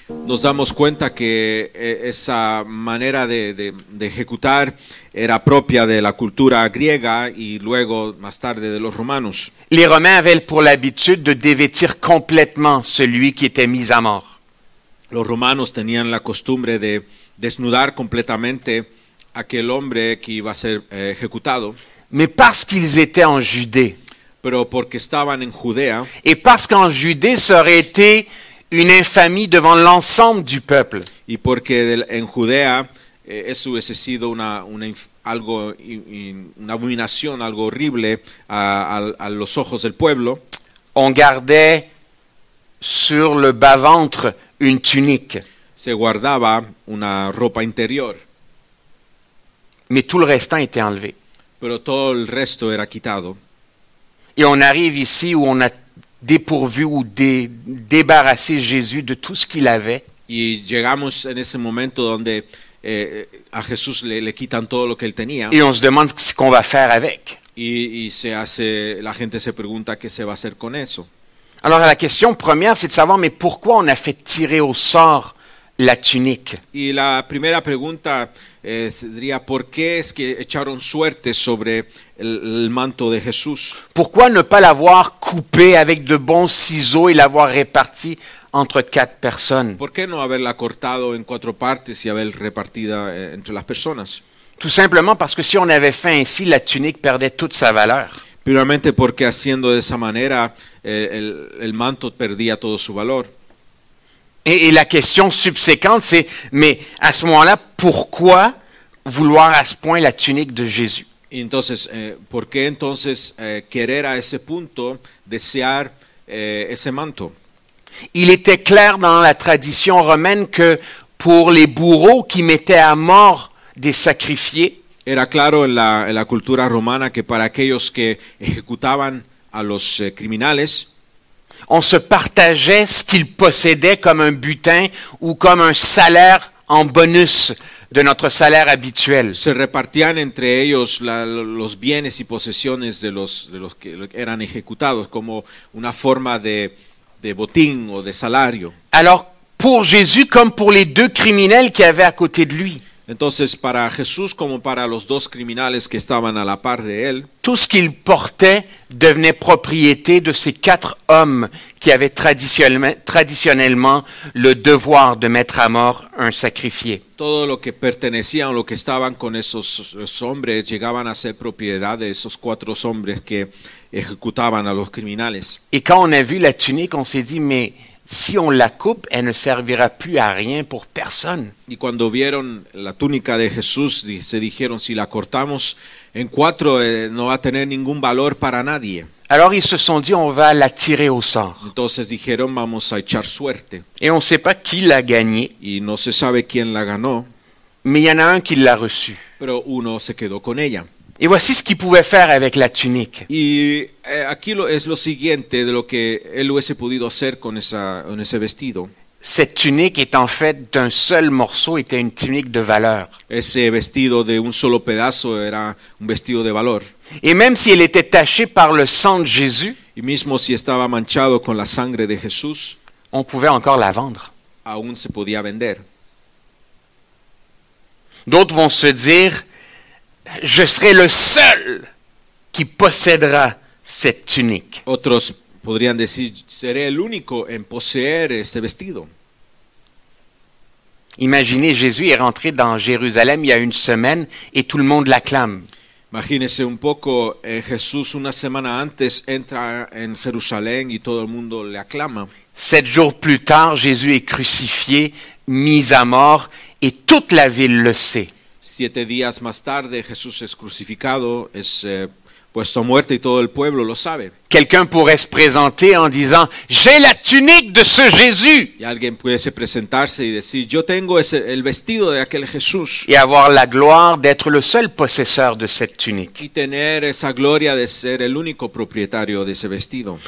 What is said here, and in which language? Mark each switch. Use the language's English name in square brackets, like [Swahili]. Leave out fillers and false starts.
[Spanish] Nos damos cuenta que esa manera de ejecutar era propia de la cultura griega y luego más tarde de los romanos. [French] Les Romains avaient pour l'habitude de dévêtir complètement celui qui était mis à mort. [Spanish] Los romanos tenían la costumbre de desnudar completamente aquel hombre que iba a ser ejecutado. [French] Mais parce qu'ils étaient en Judée. [Spanish] Pero porque estaban en Judea. [French] Et parce qu'en Judée ça aurait été une infamie devant l'ensemble du peuple. [Spanish] Y porque en Judea eso hubiese sido una abominación, algo horrible a los ojos del pueblo. [French] On gardait sur le bas-ventre une tunique. [Spanish] Se guardaba una ropa interior. [French] Mais tout le restant était enlevé. [Spanish] Pero todo el resto era quitado. [French] Et on arrive ici où on a dépourvu ou débarrassé Jésus de tout ce qu'il avait. [Spanish] Y llegamos en ese momento donde a Jesús le quitan todo lo que él tenía. [French] Et on se demande ce qu'on va faire avec. [Spanish] Y se hace, la gente se pregunta qué se va a hacer con eso. [French] Alors la question première, c'est de savoir, mais pourquoi on a fait tirer au sort la tunique? [Spanish] Y la primera pregunta sería, ¿por qué es que echaron suerte sobre el manto de Jesús? [French] Pourquoi ne pas l'avoir coupé avec de bons ciseaux et l'avoir réparti entre quatre personnes? [Spanish] ¿Por qué no haberla cortado en cuatro partes y haberla repartida entre las personas? [French] Tout simplement parce que si on avait fait ainsi, la tunique perdait toute sa valeur. [Spanish] Primeramente porque haciendo de esa manera el manto perdía todo su valor. [French] Et la question subséquente, c'est, mais à ce moment-là, pourquoi vouloir à ce point la tunique de Jésus? [Spanish] Entonces, ¿por qué entonces querer a ese punto desear ese manto? [French] Il était clair dans la tradition romaine que pour les bourreaux qui mettaient à mort des sacrifiés, [Spanish] era claro en la cultura romana que para aquellos que ejecutaban a los criminales, [French] on se partageait ce qu'ils possédaient comme un butin ou comme un salaire en bonus de notre salaire habituel. [Spanish] Se repartían entre ellos los bienes y posesiones de los que eran ejecutados como una forma de botín o de salario. [French] Alors, pour Jésus comme pour les deux criminels qui avaient à côté de lui. [Spanish] Entonces, para Jesús como para los dos criminales que estaban a la par de él, [French] tout ce qu'il portait devenait propriété de ces quatre hommes qui avaient traditionnellement le devoir de mettre à mort un sacrifié. [Spanish] Todo lo que pertenecían, lo que estaban con esos hombres, llegaban a ser propiedad de esos cuatro hombres que ejecutaban a los criminales. [French] Et quand on a vu la tunique, on s'est dit, mais si on la coupe, elle ne servira plus à rien pour personne. [Spanish] Y cuando vieron la túnica de Jesús, se dijeron, si la cortamos en cuatro, no va a tener ningún valor para nadie. [French] Alors ils se sont dit, on va la tirer au sort. [Spanish] Entonces dijeron, vamos a echar suerte. [French] Et on ne sait pas qui l'a gagné. [Spanish] Y no se sabe quién la ganó. [French] Mais il y en a un qui l'a reçu. [Spanish] Pero uno se quedó con ella. [French] Et voici ce qu'il pouvait faire avec la tunique. [Spanish] Y aquí es lo siguiente de lo que él hubiese podido hacer con ese vestido. [French] Cette tunique est en fait d'un seul morceau, était une tunique de valeur. [Spanish] Ese vestido de un solo pedazo era un vestido de valor. [French] Et même si elle était tachée par le sang de Jésus, [Spanish] y mismo si estaba manchado con la sangre de Jesús, [French] on pouvait encore la vendre. [Spanish] Aún se podía vender. [French] D'autres vont se dire, je serai le seul qui possédera cette tunique. [Spanish] Otros podrían decir, seré el único en poseer este vestido. [French] Imaginez, Jésus est rentré dans Jérusalem il y a une semaine et tout le monde l'acclame. [Spanish] Imagínese un poco, Jesús una semana antes entra en Jerusalén y todo el mundo le aclama. [French] 7 jours plus tard, Jésus est crucifié, mis à mort et toute la ville le sait. [Spanish] 7 días más tarde, Jesús es crucificado, es puesto a muerte y todo el pueblo lo sabe. [French] Quelqu'un pourrait se présenter en disant, j'ai la tunique de ce Jésus. [Spanish] Y alguien pudiese presentarse y decir, yo tengo el vestido de aquel Jesús. [French] Y avoir la gloire d'être le seul possesseur de cette tunique. [Spanish] Y tener esa gloria de ser el único propietario de ese vestido.